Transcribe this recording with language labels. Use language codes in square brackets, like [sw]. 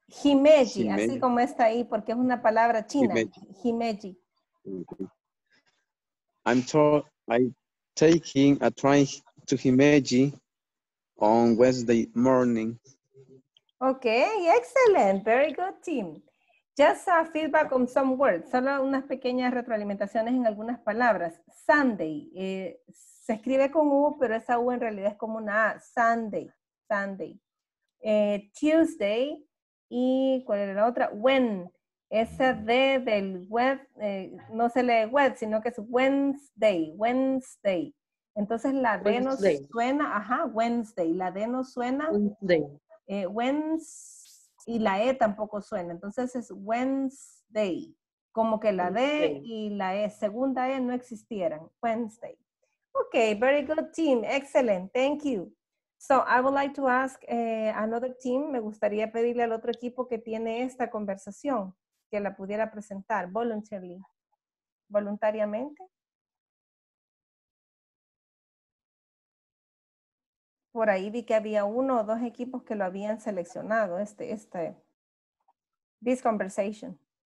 [es] Himeji, así como está ahí, porque es una palabra china. Himeji. [en] I'm taking a try to Himeji on Wednesday morning. Okay, excellent. Very good, team. Just a feedback on some words. [es] Solo unas pequeñas retroalimentaciones en algunas palabras. Sunday. Se escribe con U, pero esa U en realidad es como una A. [en] Sunday. Sunday. Tuesday. [es] ¿Y cuál era la otra? When. Esa D del web, no se lee web, sino que es Wednesday. Wednesday. Entonces la D no suena. Ajá, Wednesday. La D no suena. [en] Wednesday. [es] Wednesday. Y la E tampoco suena. Entonces es Wednesday. Como que la Wednesday. D y la E, segunda E, no existieran. Wednesday. [en] Okay, very good team. Excellent. Thank you. So I would like to ask another team. [es] Me gustaría pedirle al otro equipo que tiene esta conversación que la pudiera presentar voluntariamente. Por ahí vi que había uno o dos equipos que lo habían seleccionado, [en] this conversation.